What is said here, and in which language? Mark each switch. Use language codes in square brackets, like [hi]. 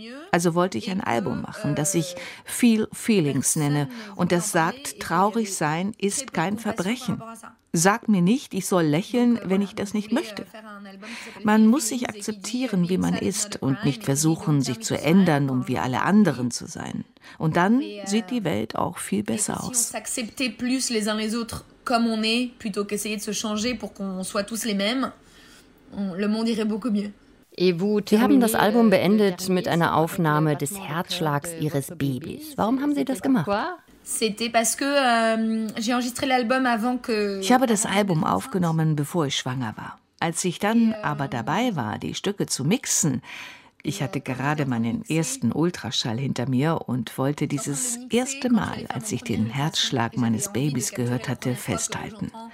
[de] Also wollte ich ein Album machen, das ich Feel Feelings nenne und das sagt, traurig sein ist kein Verbrechen. Sag mir nicht, ich soll lächeln, wenn ich das nicht möchte. Man muss sich akzeptieren, wie man ist und nicht versuchen, sich zu ändern, um wie alle anderen zu sein. Und dann sieht die Welt auch viel besser aus. [fr] Si on s'acceptait plus les uns les autres comme on est, plutôt qu'essayer de se changer pour qu'on soit tous les mêmes, le monde irait beaucoup mieux. [de] Sie haben das Album beendet mit einer Aufnahme des Herzschlags ihres Babys. Warum haben Sie das gemacht? Ich habe das Album aufgenommen, bevor ich schwanger war. Als ich dann aber dabei war, die Stücke zu mixen, ich hatte gerade meinen ersten Ultraschall hinter mir und wollte dieses erste Mal, als ich den Herzschlag meines Babys gehört hatte, festhalten.